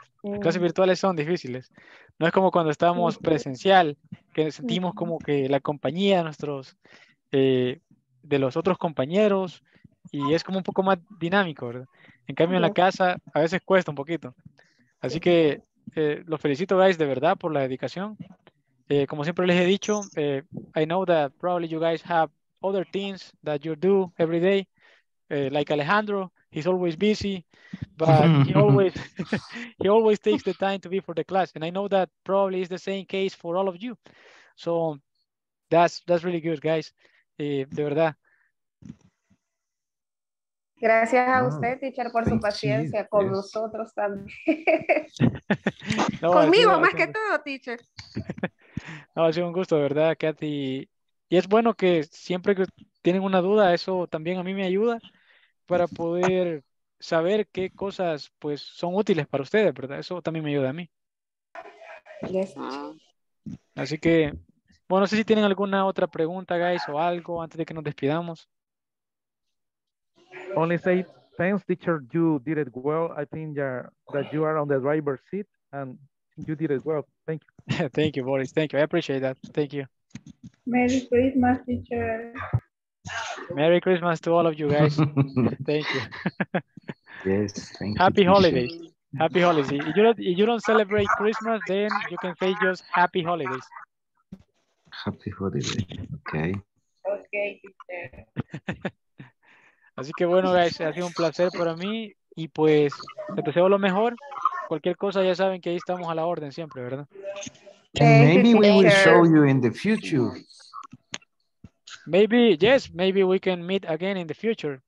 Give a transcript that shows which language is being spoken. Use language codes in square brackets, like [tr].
[es] Las clases virtuales son difíciles. No es como cuando estamos presencial, que sentimos como que la compañía nuestros, de los otros compañeros, y es como un poco más dinámico, ¿verdad? En cambio, en la casa a veces cuesta un poquito. Así que los felicito, guys, de verdad, por la dedicación. Como siempre les he dicho, [en] I know that probably you guys have other things that you do every day, like Alejandro, he's always busy, but he always takes the time to be for the class. And I know that probably is the same case for all of you. So that's really good, guys. [es] De verdad. Gracias a usted, teacher, por su paciencia con nosotros también. No, conmigo más que todo, teacher. No, ha sido un gusto, de verdad, Kathy. Y es bueno que siempre que tienen una duda, eso también a mí me ayuda para poder saber qué cosas pues son útiles para ustedes, ¿verdad? Eso también me ayuda a mí. [en] Yes. [es] Así que, bueno, no sé si tienen alguna otra pregunta, guys, o algo antes de que nos despidamos. [en] Only say thanks, teacher, you did it well. I think that you are on the driver's seat and you did it well. Thank you. Thank you, Boris. Thank you. I appreciate that. Thank you. Merry Christmas, teacher. Merry Christmas to all of you guys. Thank you. Yes, thank happy you. Holidays. Happy holidays. If you don't celebrate Christmas, then you can say just happy holidays. Happy holidays. Okay. Okay. [es] Así que bueno, guys, ha sido un placer para mí y pues te deseo lo mejor. Cualquier cosa ya saben que ahí estamos a la orden siempre, ¿verdad? [en] And maybe we will show you in the future. Maybe, yes, maybe we can meet again in the future.